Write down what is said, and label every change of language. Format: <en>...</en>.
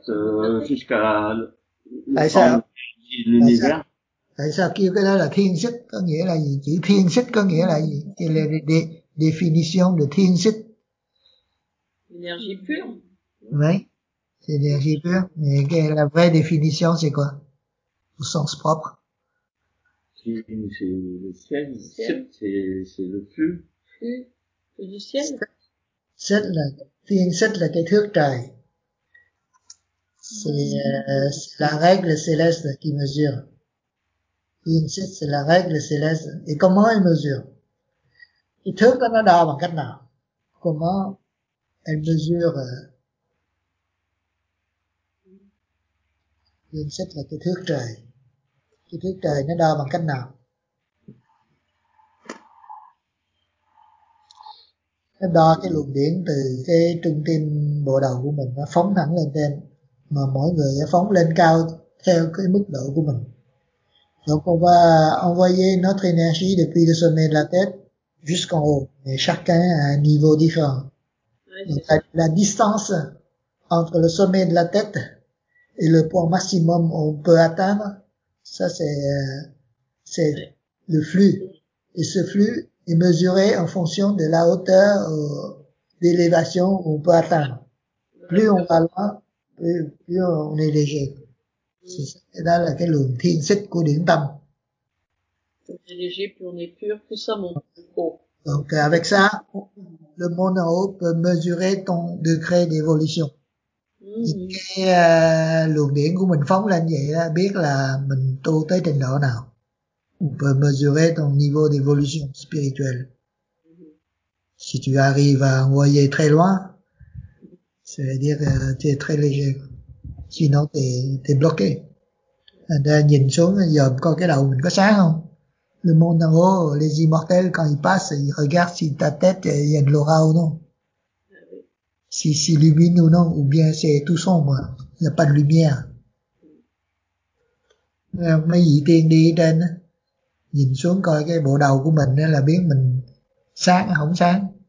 <fr>C'est le plus haut sommet de la tête jusqu'à l'univers.</fr> <vi>Tại sao kêu cái đó là thiên xích? Có nghĩa là gì? Chữ thiên xích có nghĩa là gì? Thì là</vi> <fr>définition de</fr> <vi>thiên xích.</vi> <fr>L'énergie pure. Oui, c'est l'énergie pure. Mais la vraie définition, c'est quoi? Au sens propre. C'est le ciel. C'est le flux. Flux du ciel.</fr> <vi>Sept là thiên xích là cái thước trời,</vi> <fr>c'est la règle céleste qui mesure. Thiên xích c'est la règle céleste. Et comment elle mesure?</fr> <vi>Cái thước đó nó đo bằng cách nào?</vi> <fr>Comment elle mesure?</fr> <vi>Thiên xích là cái thước trời nó đo bằng cách nào? Nó đo cái luồng điện từ cái trung tâm bộ đầu của mình, nó phóng thẳng lên trên, mà mỗi người nó phóng lên cao theo cái mức độ của mình.</vi> <fr>Donc on va envoyer notre énergie depuis le sommet de la tête jusqu'en haut, mais chacun a un niveau différent. Donc la distance entre le sommet de la tête et le point maximum qu'on peut atteindre, ça c'est le flux. Et ce flux est mesuré en fonction de la hauteur d'élévation où on peut atteindre. Plus on va loin, plus on est léger. C'est ça, c'est dans la</fr> <vi>luồng thiên xích của điển tâm.</vi> <fr>Plus on est léger, plus on est pur, plus ça monte plus haut. Donc avec ça, le monde en haut peut mesurer ton degré d'évolution.</fr> <vi>Cái luồng điển của mình phóng lên vậy, biết là mình tu tới trình độ nào.</vi> <fr>On peut mesurer ton niveau d'évolution spirituelle. Si tu arrives à envoyer très loin, ça veut dire que tu es très léger. Sinon, t'es bloqué.</fr> <vi>Nhìn xuống, giờ coi cái đầu mình có sáng không?</vi> <fr>Le monde en haut, les immortels, quand ils passent, ils regardent si ta tête, il y a de l'aura ou non. Si c'est lumineux ou non, ou bien c'est tout sombre. Il n'y a pas de lumière.</fr> <vi>Mấy vị tiên đi trên, nhìn xuống coi cái bộ đầu của mình là biết mình sáng hay không sáng.</vi>